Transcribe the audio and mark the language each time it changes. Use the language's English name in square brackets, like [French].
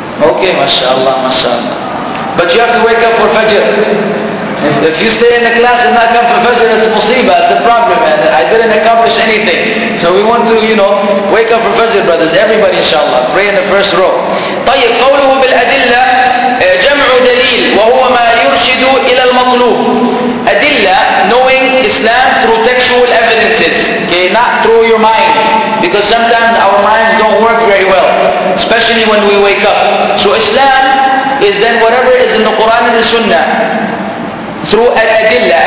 [English] Okay, mashallah, mashallah. But you have to wake up for Fajr. If you stay in the class and not come for Fajr, it's a musibah, it's a problem, man. I didn't accomplish anything. So we want to, you know, wake up for Fajr, brothers. Everybody, inshallah, pray in the first row. [Arabic] طيب قوله بالأدلة جمع دليل وهو ما يرشد إلى المطلوب. [English] أدلة, knowing Islam through textual evidences. Okay, not through your mind. Because sometimes our minds don't work very well. Especially when we wake up. So Islam is then whatever is in the Quran and the Sunnah through al-adilla.